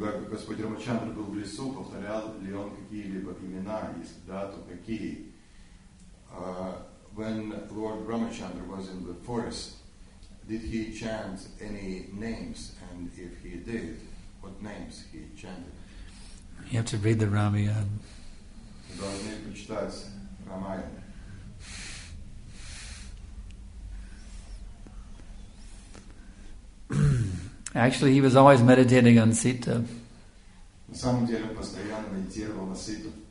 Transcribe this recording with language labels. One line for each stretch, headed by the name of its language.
Russian: Господь Рамачандра был в лесу, повторял ли он какие-либо имена, если да, то какие?
English: When Lord Ramachandra was in the forest, did he chant any names? And if he did, what names he chanted? You have to read the Ramayana.
Russian: Вы должны прочитать Рамаяну.
English: Actually, he was always meditating on Sita.
Russian: На самом деле, он постоянно медитировал на Ситу.